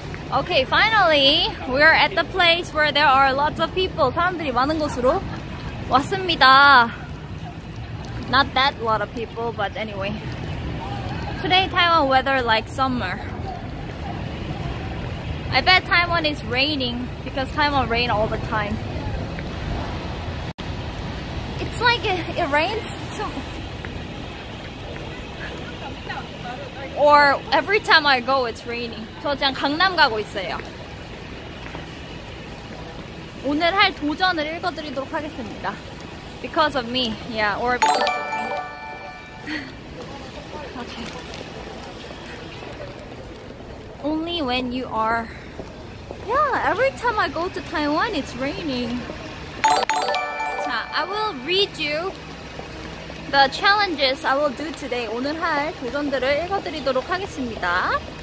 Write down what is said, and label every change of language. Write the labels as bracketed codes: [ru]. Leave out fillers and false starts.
[en] Okay, finally, we are at the place where there are lots of people. [ko] 사람들이 많은 곳으로 왔습니다. [en] Not that lot of people, but anyway. Today, Taiwan weather like summer. I bet Taiwan is raining because Taiwan rain all the time. It's like it rains so... Or every time I go, it's raining. [ko] 저 지금 강남 가고 있어요. 오늘 할 도전을 읽어드리도록 하겠습니다. [en] Because of me, yeah, or because of me. Okay. Only when you are... Yeah, every time I go to Taiwan, it's raining. So I will read you the challenges I will do today. [ko] 오늘 할 도전들을 읽어드리도록 하겠습니다.